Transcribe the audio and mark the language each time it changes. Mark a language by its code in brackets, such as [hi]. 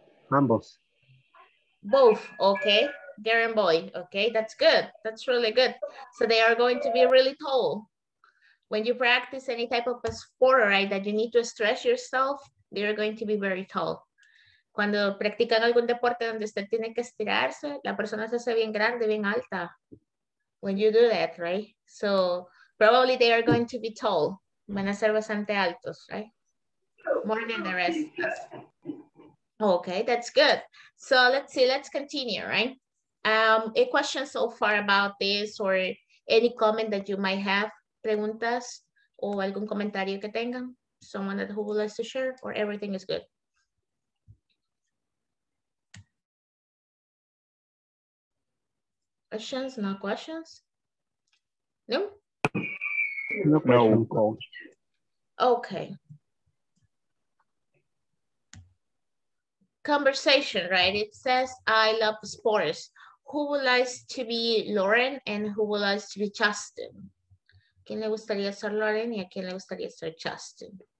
[es] Ambos. [en] Both, okay. Girl and boy, okay, that's good. That's really good. So they are going to be really tall. When you practice any type of a sport, right, that you need to stretch yourself, they're going to be very tall. [es] Cuando practican algún deporte donde usted tiene que estirarse, la persona se hace bien grande, bien alta. [en] When you do that, right? So probably they are going to be tall. [es] Van a ser bastante altos, [en] right? More than the rest. Okay, that's good. So let's see, let's continue, right? A question so far about this or any comment that you might have, [es] preguntas o algún comentario que tengan, [en] someone at who would like to share, or everything is good. Questions, no questions? No? No questions. Okay. Conversation, right? It says, I love sports. Who would like to be Lauren and who would like to be Justin? [es] ¿Quién le gustaría ser Lauren y a quién le gustaría ser Justin?